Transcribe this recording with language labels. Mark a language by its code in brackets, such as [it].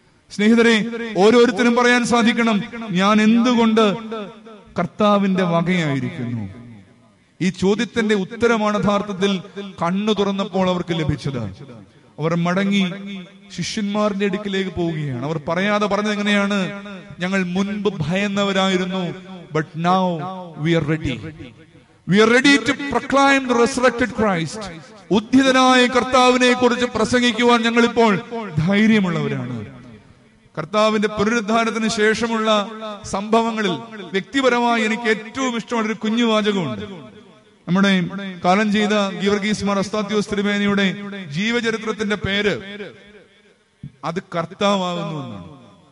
[ml] സ്നേഹിതരെ, ഓരോരുത്തരും പറയാൻ സാധിക്കണം, ഞാൻ എന്തുകൊണ്ട് കർത്താവിന്റെ വകയായിരിക്കുന്നു. ഈ ചോദ്യത്തിന്റെ ഉത്തരമാണ് യഥാർത്ഥത്തിൽ കണ്ണു തുറന്നപ്പോൾ അവർക്ക് ലഭിച്ചത്. അവർ മടങ്ങി ശിഷ്യന്മാരുടെ അടുക്കിലേക്ക് പോവുകയാണ്. അവർ പറയാതെ പറഞ്ഞത് എങ്ങനെയാണ്? ഞങ്ങൾ മുൻപ് ഭയന്നവരായിരുന്നു, [en] But now we are ready. We are ready to proclaim the resurrected Christ. [ml] ഉദ്ധിതനായി കർത്താവിനെ കുറിച്ച് പ്രസംഗിക്കുവാൻ ഞങ്ങൾ ഇപ്പോൾ ധൈര്യമുള്ളവരാണ്. കർത്താവിന്റെ പുനരുദ്ധാനത്തിന് ശേഷമുള്ള സംഭവങ്ങളിൽ വ്യക്തിപരമായി എനിക്ക് ഏറ്റവും ഇഷ്ടമുള്ള ഒരു കുഞ്ഞു വാചകമുണ്ട്. നമ്മുടെ കാലം ചെയ്ത ഗീവർഗീസ് മാർ അസ്താത്യോസ് ത്രിവേണിയുടെ ജീവചരിത്രത്തിന്റെ പേര് അത് കർത്താവുന്നു എന്നാണ്.